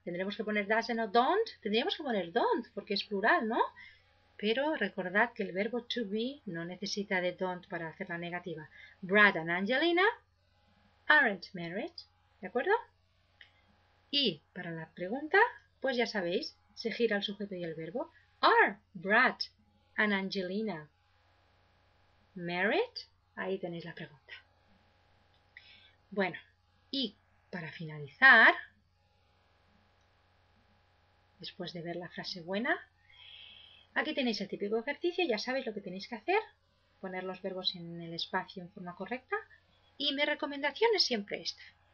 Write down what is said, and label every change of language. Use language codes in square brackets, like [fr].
[es] ¿Tendremos que poner doesn't o don't? Tendríamos que poner don't, porque es plural, ¿no? Pero recordad que el verbo to be no necesita de don't para hacer la negativa. [en] Brad and Angelina aren't married. [es] ¿De acuerdo? Y para la pregunta, pues ya sabéis, se gira el sujeto y el verbo. [en] Are Brad and Angelina married? [es] Ahí tenéis la pregunta. Bueno, y para finalizar, después de ver la frase buena, aquí tenéis el típico ejercicio, ya sabéis lo que tenéis que hacer, poner los verbos en el espacio en forma correcta, y mi recomendación es siempre esta.